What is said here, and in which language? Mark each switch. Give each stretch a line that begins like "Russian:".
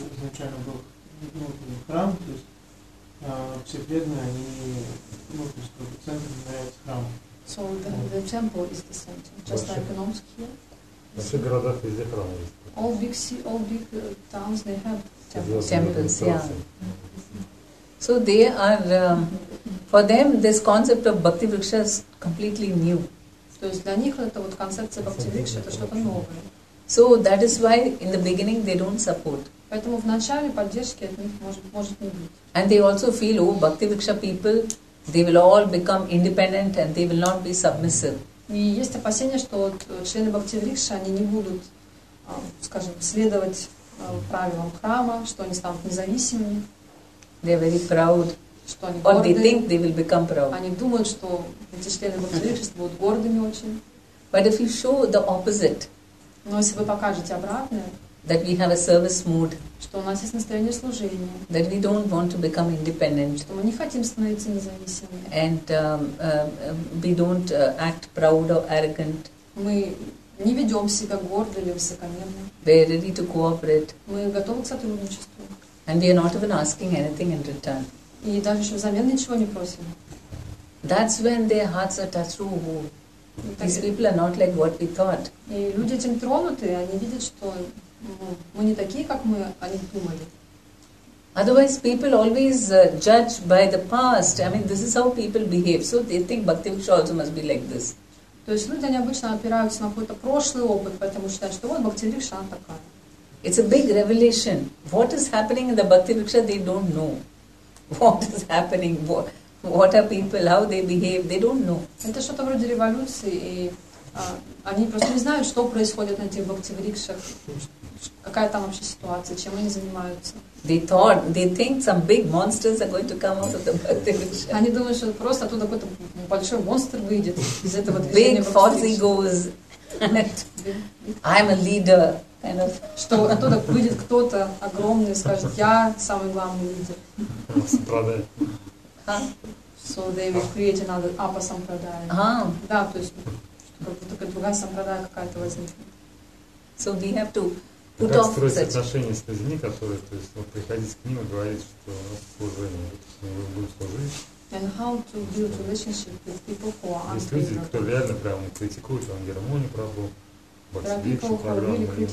Russian: Изначально был храм, то есть все бедные, они, ну, то есть центр является храм.
English: So the temple is the center, just like in Omsk here.
Russian: Во всех городах везде храмы есть.
English: All big towns, they have temples. Temples, yeah. Mm-hmm. So they are, for them, this concept of Bhakti Vriksha is completely new.
Russian: То есть для них это вот концепция Bhakti Vriksha, это что-то новое.
English: So that is why in the beginning they don't support.
Russian: Поэтому в начале поддержки от них может не быть.
English: And they also feel, oh, Bhakti Vriksha people, they will all become independent and they will not be submissive.
Russian: И есть опасение, что вот члены Бхакти Врикши, они не будут, скажем, следовать правилам храма, что они станут независимыми.
English: They are very proud.
Russian: Что они гордые.
English: Or they think they will become proud.
Russian: Они думают, что эти члены Бхакти Врикши будут гордыми очень.
English: But if you show the opposite.
Russian: Но если вы покажете обратное.
English: That we have a service mood.
Russian: Что у нас есть настроение служения.
English: That we don't want to become independent.
Russian: Что мы не хотим становиться независимыми.
English: And we don't act proud or arrogant.
Russian: Мы не ведем себя гордо или высокомерно.
English: We are ready to cooperate.
Russian: Мы готовы к сотрудничеству.
English: And we are not even asking anything in return.
Russian: И даже еще взамен ничего не просим.
English: That's when their hearts are touched. Oh, these people are not like what we thought.
Russian: И люди этим тронуты, они видят, что мы не такие, как мы о них думали.
English: Otherwise, people always judge by the past. I mean, this is how people behave. So they think Bhakti Vriksha also must be like this.
Russian: То есть люди, они обычно опираются на какой-то прошлый опыт, поэтому считают, что вот Бхакти Вриксха такая.
English: It's a big revelation. What is happening in the Bhakti Vriksha, they don't know. What is happening? What are people? How they behave? They don't know.
Russian: Это что-то вроде революции, и они просто не знают, что происходит на этих Бхакти Врикшах. Какая там вообще ситуация, чем они занимаются?
English: They thought, they think some big monsters are going to come out of the Bhakti Vriksha.
Russian: Они думают, что просто оттуда какой-то большой монстр выйдет из этого движения.
English: Big false egos. I'm a leader. Kind of.
Russian: Что оттуда выйдет кто-то огромный и скажет, я самый главный лидер.
English: Sampradaya. So they will create another Apa Sampradaya. Uh-huh.
Russian: Да, то есть как-то такая другая Sampradaya какая-то возникнет.
English: So we have to
Russian: как строить отношения с людьми, которые, то есть, вот, приходить к ним и говорить, что у нас служение, то есть, мы будем служить.
English: And how to build relationship with people who are unfair.
Russian: Есть люди, кто реально прямо критикует, он гармонию пробовал, Бхактивикшу программу,